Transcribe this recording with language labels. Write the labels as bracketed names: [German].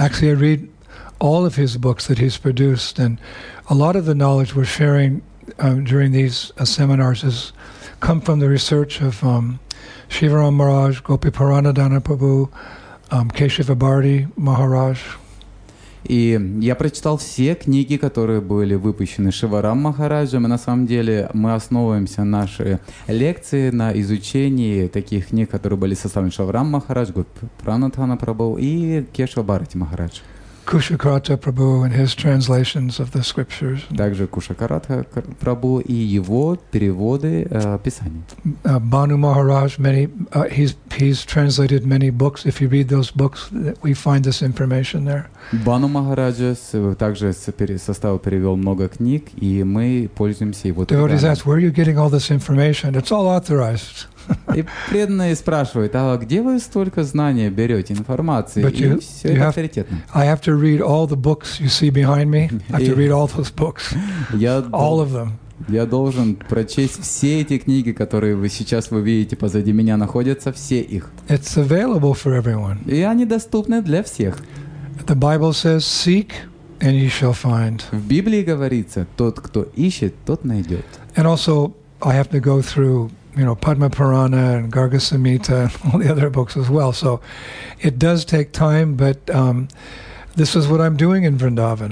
[English] Actually, I read all of his books that he's produced, and a lot of the knowledge we're sharing during these seminars has come from the research of Shiva Ram Maharaj, Gopi Puranadana Prabhu, Keshava Bharati Maharaj. [Russian] И я прочитал все книги, которые были выпущены Шиварам Махараджем. И на самом деле мы основываемся наши лекции на изучении таких книг, которые были составлены Шиварам Махарадж, Гопи Пранатхана Прабху и Кешава Бхарати Махарадж. [English] Kushakrata Prabhu and his translations of the scriptures. [Russian] Также Кушакаратха Прабху и его переводы писаний. [English] Banu Maharaj, he's translated many books. If you read those books, we find this information there. [Russian] Banu Maharaj также перевел много книг, и мы пользуемся его. [English] Devotees ask, where are you getting all this information? It's all authorized. [Russian] И преданные спрашивают, а где вы столько знаний берете, информации? [English] But [Russian] и все это авторитетно. [English] I have to read all the books you see behind me. I have to read all those books. All of them. [Russian] Я должен прочесть все эти книги, которые вы сейчас вы видите позади меня, находятся все их. [English] It's available for everyone. [Russian] И они доступны для всех. [English] The Bible says, seek and you shall find. [Russian] В Библии говорится, тот, кто ищет, тот найдет. [English] And also, I have to go through Padma Purana and Garga Samhita and all the other books as well. So it does take time, but this is what I'm doing in Vrindavan.